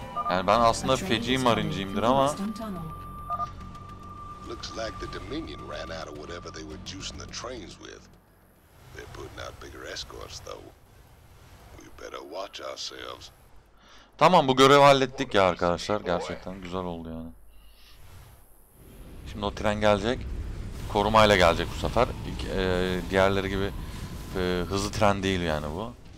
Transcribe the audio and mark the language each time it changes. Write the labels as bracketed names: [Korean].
[Turkish] Yani ben aslında feci marinciyimdir ama. [English] Looks like the Dominion ran out of whatever they were juicing the trains with. They're putting out bigger escorts though. We better watch ourselves. [Turkish] Tamam, bu görevi hallettik ya arkadaşlar, gerçekten güzel oldu yani. Şimdi o tren gelecek. Korumayla gelecek bu sefer. Diğerleri gibi hızlı tren değil yani bu.